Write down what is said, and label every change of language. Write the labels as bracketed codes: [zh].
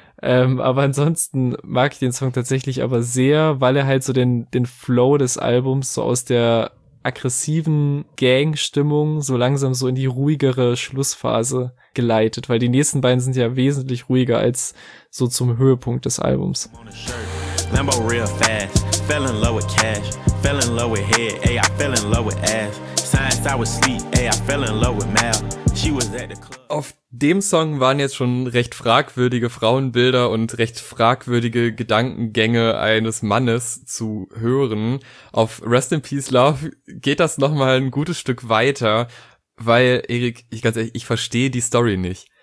[de] Aber ansonsten mag ich den Song tatsächlich aber sehr, weil er halt so den Flow des Albums so aus der aggressiven Gang-Stimmung so langsam so in die ruhigere Schlussphase geleitet, weil die nächsten beiden sind ja wesentlich ruhiger als so zum Höhepunkt des Albums. [en] Lambo real fast, fell in love with cash, fell in love with head, ay, I fell in love with ass, science I was sleep, ay, I fell in love with math. [de] Auf dem Song waren jetzt schon recht fragwürdige Frauenbilder und recht fragwürdige Gedankengänge eines Mannes zu hören. Auf Rest in Peace Love geht das nochmal ein gutes Stück weiter, weil, Erik, ich ganz ehrlich, ich verstehe die Story nicht.